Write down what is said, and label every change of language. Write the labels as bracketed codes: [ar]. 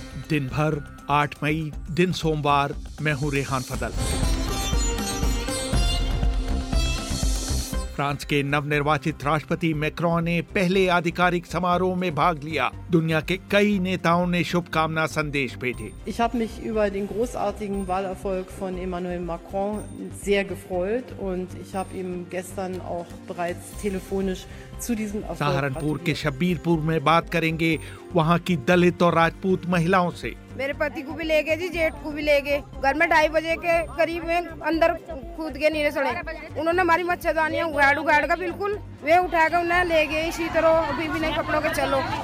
[hi] दिन भर 8 मई दिन सोमवार, मैं हूं रेहान फदल। फ्रांस के नवनिर्वाचित राष्ट्रपति मैक्रों ने पहले आधिकारिक समारोह में भाग लिया। दुनिया के कई नेताओं ने शुभकामना संदेश भेजे। [de] Ich habe mich über den großartigen Wahlerfolg von Emmanuel Macron sehr gefreut und ich habe ihm gestern auch bereits telefonisch zu diesem Erfolg gratuliert. [hi] Saharanpur के शबीरपुर में बात करेंगे वहाँ की दलित और राजपूत महिलाओं से। मेरे पति को भी ले गए जी, जेठ को भी ले गए। घर में 2:30 बजे के करीब में अंदर कूद गए नीरे सड़े। उन्होंने हमारी मच्छरदानियां उगाड़ उगाड़ का बिल्कुल वे उठा कर उन्हें ले गए। इसी तरह अभी भी नहीं कपड़ों के चलो।